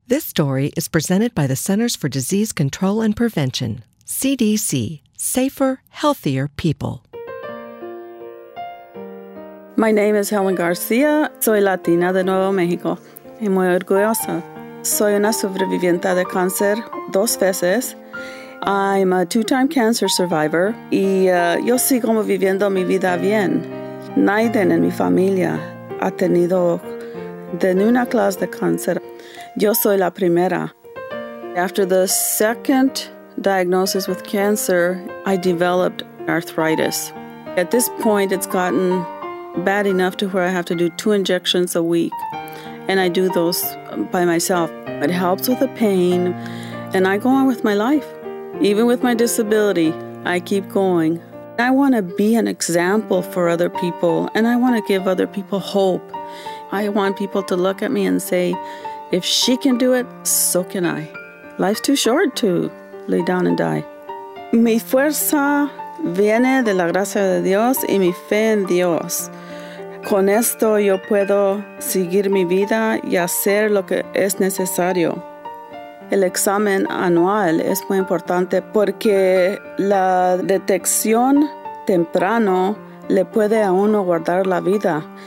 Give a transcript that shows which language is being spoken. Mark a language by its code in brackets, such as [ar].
[en] This story is presented by the Centers for Disease Control and Prevention, CDC, Safer, Healthier People. My name is Helen Garcia. [es] Soy Latina de Nuevo México y muy orgullosa. Soy una sobreviviente de cáncer dos veces. [en] I'm a two-time cancer survivor [es] y yo sigo viviendo mi vida bien. Nadie en mi familia ha tenido de ninguna clase de cáncer. Yo soy la primera. [en] After the second diagnosis with cancer, I developed arthritis. At this point, it's gotten bad enough to where I have to do two injections a week, and I do those by myself. It helps with the pain, and I go on with my life. Even with my disability, I keep going. I want to be an example for other people, and I want to give other people hope. I want people to look at me and say, if she can do it, so can I. Life's too short to lay down and die. [es] Mi fuerza viene de la gracia de Dios y mi fe en Dios. Con esto yo puedo seguir mi vida y hacer lo que es necesario. El examen anual es muy importante porque la detección temprano le puede a uno guardar la vida.